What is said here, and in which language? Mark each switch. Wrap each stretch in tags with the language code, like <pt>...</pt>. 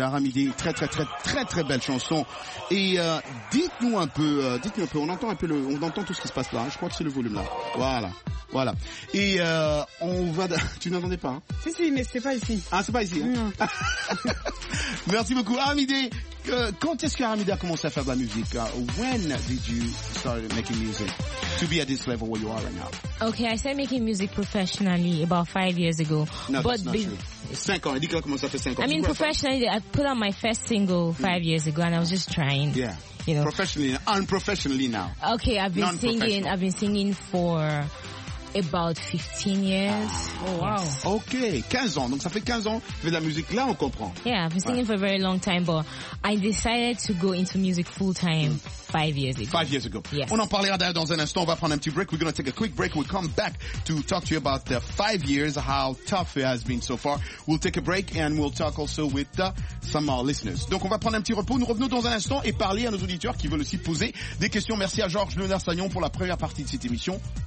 <fr>Aramidé, très très très très très belle chanson. Et dites-nous un peu, on entend tout ce qui se passe là. Je crois que c'est le volume là. Voilà. Et on va. Tu n'entendais pas hein? Si, mais c'est pas ici. Ah, c'est pas ici. Hein? Merci beaucoup. Aramidé, quand est-ce que Aramidé a commencé à faire de la musique?</fr> <en>When did you start making music? To be at this level where you are right now. Okay, I started making music professionally about 5 years ago. No, but that's not true.</en> <fr>5 ans.</fr> <en>I mean, professionally, I put out my first single 5 years ago and I was just trying. Yeah. You know. Professionally, unprofessionally now. Okay, I've been singing for about 15 years. Oh, wow.</en> <fr>Okay, 15 ans. Donc ça fait 15 ans que tu fais de la musique. Là, on comprend.</fr> <en>Yeah, I've been singing for a very long time, but I decided to go into music full time. Five years ago.</en> <fr>Yes. On en parlera d'ailleurs dans un instant. On va prendre un petit break.</fr> <en>We're going to take a quick break. We'll come back to talk to you about the 5 years, how tough it has been so far. We'll take a break and we'll talk also with some of our listeners.</en> <fr>Donc, on va prendre un petit repos. Nous revenons dans un instant et parler à nos auditeurs qui veulent aussi poser des questions. Merci à Georges Léonard Sagnon pour la première partie de cette émission.</fr>